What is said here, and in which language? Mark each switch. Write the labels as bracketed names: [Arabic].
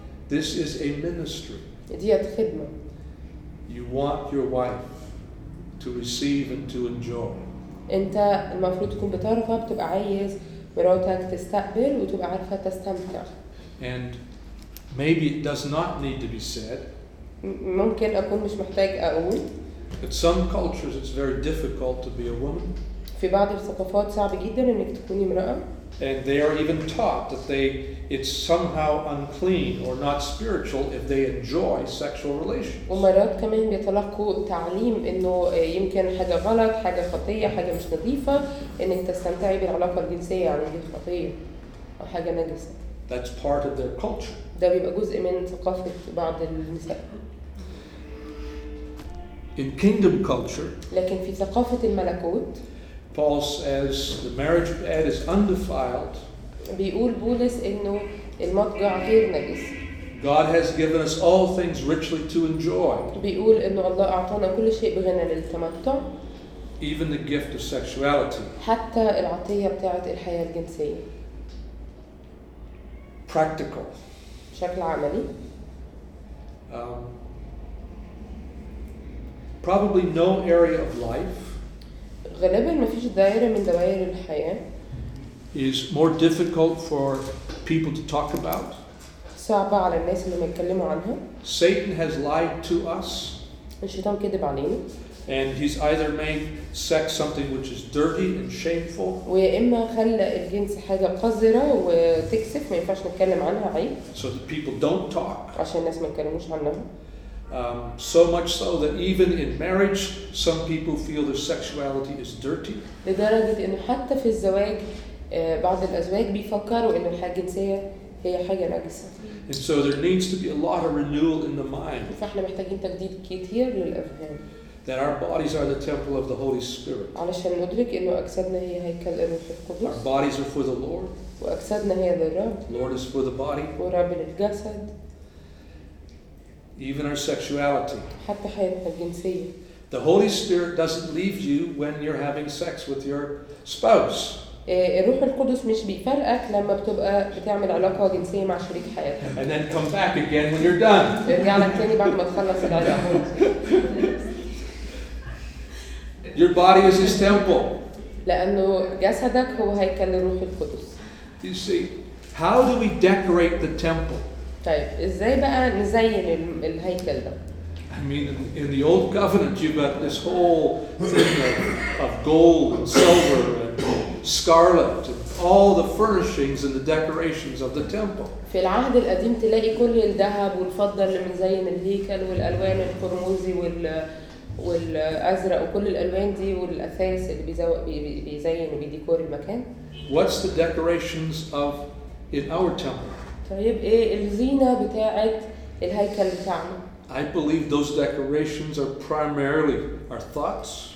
[English] This is a ministry. [Arabic] دي خدمة. [English] You want your wife to receive and to enjoy. [Arabic] أنت المفروض تكون بتعرفها بتبقى عايز مراتك تستقبل وتبقى عارفة تستمتع. [English] And maybe it does not need to be said. [Arabic] ممكن أكون مش محتاج أقول. [English] But some cultures it's very difficult to be a woman. [Arabic] في بعض الثقافات صعب جدا إنك تكوني امرأة. [English] And they are even taught that it's somehow unclean or not spiritual if they enjoy sexual relations. [Arabic] ومرات كمان بيتلقوا تعليم إنه يمكن حاجة غلط, حاجة خطيئة, حاجة مش نظيفة إنك تستمتعي بالعلاقة الجنسية, يعني دي خطيئة أو حاجة نجسة. [English] That's part of their culture. [Arabic] ده بيبقى جزء من ثقافة بعض النساء. [English] In kingdom culture, [Arabic] لكن في ثقافة الملكوت, [English] Paul says the marriage bed is undefiled. [Arabic] بيقول بولس إنه المضجع غير نجس. [English] God has given us all things richly to enjoy. [Arabic] بيقول إنه الله أعطانا كل شيء بغنى للتمتع. [English] Even the gift of sexuality. [Arabic] حتى العطية بتاعت الحياة الجنسية. [English] Practical. [Arabic] بشكل عملي. [English] Probably no area of life. [Arabic] غالباً ما فيش دائرة من دوائر الحياة. [English] Is more difficult for people to talk about. [Arabic] صعبة على الناس اللي ما يتكلموا عنها. [English] Satan has lied to us. [Arabic] الشيطان كذب علينا. [English] And he's either made sex something which is dirty and shameful. [Arabic] ويا إما خلى الجنس حاجة قذرة وتكسف ما ينفعش نتكلم عنها عيب. [English] So that people don't talk. [Arabic] عشان الناس ما يتكلموش عنها. [English] So much so that even in marriage, some people feel their sexuality is dirty. [Arabic] لدرجة إنه حتى في الزواج بعض الأزواج بيفكروا إنه الحياة الجنسية هي حاجة نجسة. [English] And so there needs to be a lot of renewal in the mind. [Arabic] فاحنا محتاجين تجديد كتير للأفهام. [English] That our bodies are the temple of the Holy Spirit. [Arabic] علشان ندرك إنه أجسادنا هي هيكل الروح القدس. [English] Our bodies are for the Lord. [Arabic] وأجسادنا هي للرب. [English] Lord is for the body. [Arabic] ورب للجسد. [English] Even our sexuality. [Arabic] حتى حياة الجنسية. [English] The Holy Spirit doesn't leave you when you're having sex with your spouse. [Arabic] الروح القدس مش بيفرقك لما بتبقى بتعمل علاقة جنسية مع شريك حياتك. [English] And then come back again when you're done. [Arabic] يرجع لك تاني بعد ما تخلص العلاقة. [English] Your body is his temple. [Arabic] لأنه جسدك هو هيكل الروح القدس. [English] You see, how do we decorate the temple? [Arabic] طيب ازاي بقى نزين الهيكل ده؟ [English] I mean in the old covenant you've got this whole thing of gold and silver and scarlet and all the furnishings and the decorations of the temple. [Arabic] في العهد القديم تلاقي كل الذهب والفضة اللي منزين الهيكل والألوان القرمزي والأزرق وكل الألوان دي والأثاث اللي بيزين وبيديكور المكان. [English] What's the decorations of in our temple? [Arabic] طيب ايه الزينة بتاعت الهيكل بتاعنا؟ [English] I believe those decorations are primarily our thoughts.